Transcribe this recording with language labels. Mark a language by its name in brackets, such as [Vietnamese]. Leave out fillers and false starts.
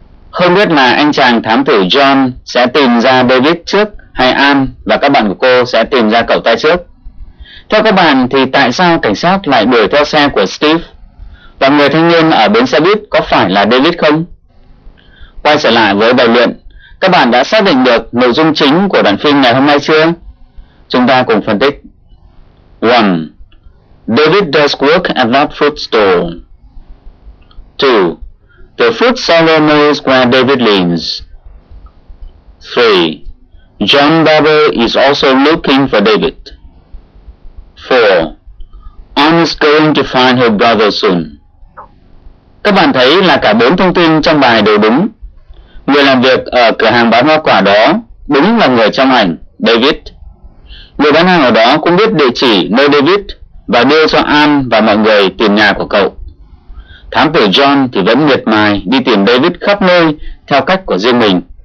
[Vietnamese] Không biết là anh chàng thám tử John sẽ tìm ra David trước hay Anne và các bạn của cô sẽ tìm ra cậu ta trước. Theo các bạn thì tại sao cảnh sát lại đuổi theo xe của Steve? Và người thanh niên ở bến xe buýt có phải là David không? Quay trở lại với bài luyện, các bạn đã xác định được nội dung chính của đoạn phim ngày hôm nay chưa? Chúng ta cùng phân tích. 1. [English] David does work at that fruit store. 2. The fruit seller knows where David lives. 3. John Barber is also looking for David. 4. Anne is going to find her brother soon. [Vietnamese] Các bạn thấy là cả bốn thông tin trong bài đều đúng. Người làm việc ở cửa hàng bán hoa quả đó đúng là người trong ảnh, David. Người bán hàng ở đó cũng biết địa chỉ nơi David và đưa cho An và mọi người tìm nhà của cậu. Thám tử John thì vẫn miệt mài đi tìm David khắp nơi theo cách của riêng mình.